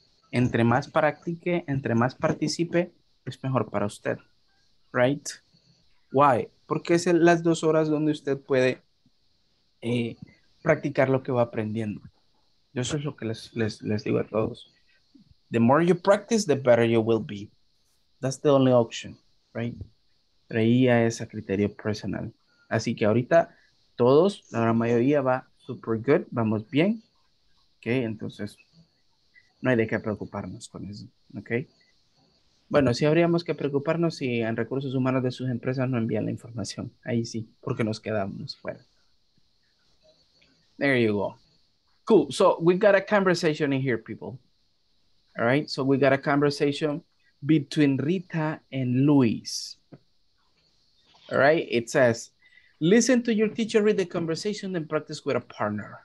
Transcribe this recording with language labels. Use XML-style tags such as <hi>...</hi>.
<es>entre más practique, entre más participe, es mejor para usted.</es> <en>Right? Why?</en> <es>Porque es las dos horas donde usted puede practicar lo que va aprendiendo. Yo eso es lo que les digo a todos.</es> <en>The more you practice, the better you will be. That's the only option, right?</en> <es>Traía ese criterio personal. Así que ahorita todos, la gran mayoría va super good, vamos bien. Ok, entonces no hay de qué preocuparnos con eso, ok. Bueno, sí habríamos que preocuparnos si en recursos humanos de sus empresas no envían la información. Ahí sí, porque nos quedamos fuera.</es> <en>There you go. Cool, so we got a conversation in here, people. All right, so we got a conversation between Rita and Luis. All right, it says, listen to your teacher read the conversation and practice with a partner.</en>